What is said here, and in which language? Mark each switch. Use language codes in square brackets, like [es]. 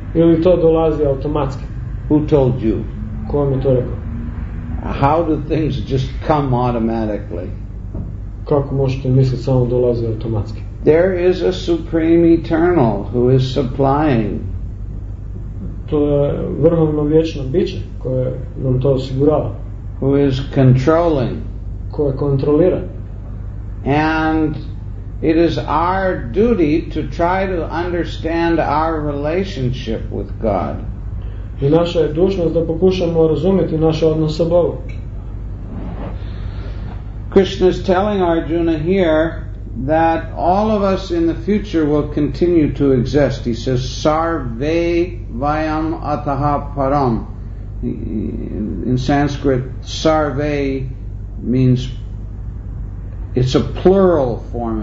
[hr] Ili to dolazi automatski? [en] Who told you? [hr] Ko mi to rekao? [en] How do things just come automatically? [hr] Kako možete misliti samo dolazi automatski? [en] There is a supreme eternal who is supplying. [hr] To je vrhovno vječno biće koje nam to osigurava. [en] Who is controlling? [hr] Koje kontrolira. [en] And it is our duty to try to understand our relationship with God. [hr] I naša je dužnost da pokušamo razumjeti naše odnose sa Bogom. [en] Krishna is telling Arjuna here that all of us in the future will continue to exist. He says, [sa] sarve vayam ataha param. [en] In Sanskrit, sarve means, it's a plural form.